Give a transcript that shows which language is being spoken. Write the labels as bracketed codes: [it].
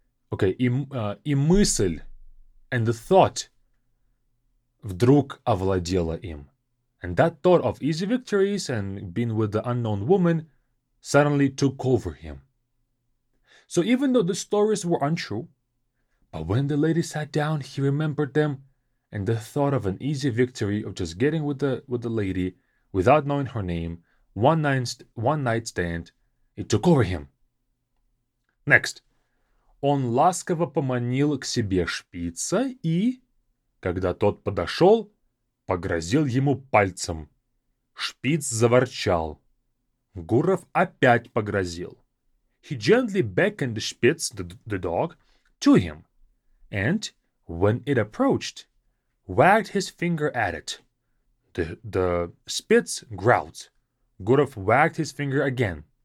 [ru] И мысль, [en] and the thought, [ru] вдруг овладела им. [en] And that thought of easy victories and being with the unknown woman suddenly took over him. So even though the stories were untrue, but when the lady sat down, he remembered them, and the thought of an easy victory of just getting with the lady without knowing her name, one night stand, it took over him. Next. [ru] Он ласково поманил к себе шпица и, когда тот подошел, погрозил ему пальцем. Шпиц заворчал. Гуров опять погрозил. [en] He gently beckoned Spitz, the dog, to him, and, when it approached, wagged his finger at it. The Spitz growled. Gurov wagged his finger again.